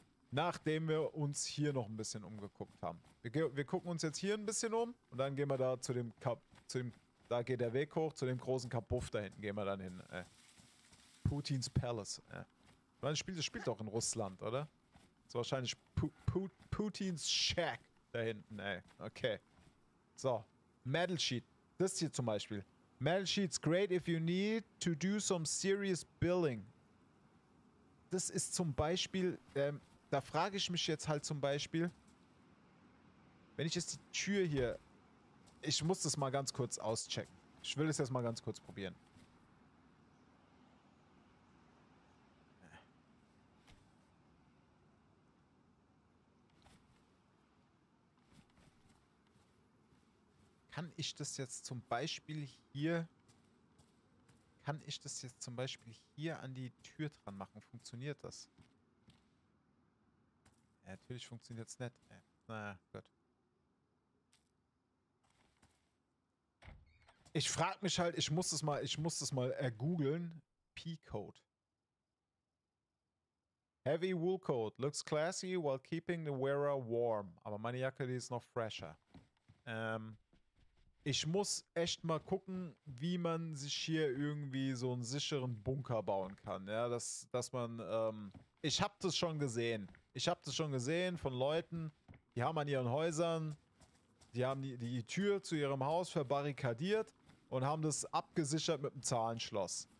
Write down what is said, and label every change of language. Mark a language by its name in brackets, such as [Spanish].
[German] Nachdem wir uns hier noch ein bisschen umgeguckt haben. Wir gucken uns jetzt hier ein bisschen um und dann gehen wir da zu dem Kap, zu dem, da geht der Weg hoch, zu dem großen Kapuff da hinten gehen wir dann hin. Putins Palace. Das spielt doch in Russland, oder? Das ist wahrscheinlich Putins Shack da hinten, ey. Okay. So. Metal Sheet. Das ist hier zum Beispiel. [English] Metal Sheet's great if you need to do some serious billing. [German] Das ist zum Beispiel, da frage ich mich jetzt halt zum Beispiel, wenn ich jetzt die Tür hier, ich muss das mal ganz kurz auschecken. Ich will das jetzt mal ganz kurz probieren. Kann ich das jetzt zum Beispiel hier? Kann ich das jetzt zum Beispiel hier an die Tür dran machen? Funktioniert das? Ja, natürlich funktioniert es nicht. Naja, gut. Ich frag mich halt, ich muss das mal ergoogeln. [English] P-Code. Heavy wool coat. Looks classy while keeping the wearer warm. [German] Aber meine Jacke, die ist noch fresher. Ich muss echt mal gucken, wie man sich hier irgendwie so einen sicheren Bunker bauen kann. Ja, dass man, ich habe das schon gesehen. Ich habe das schon gesehen von Leuten, die haben an ihren Häusern, die haben die Tür zu ihrem Haus verbarrikadiert und haben das abgesichert mit einem Zahlenschloss.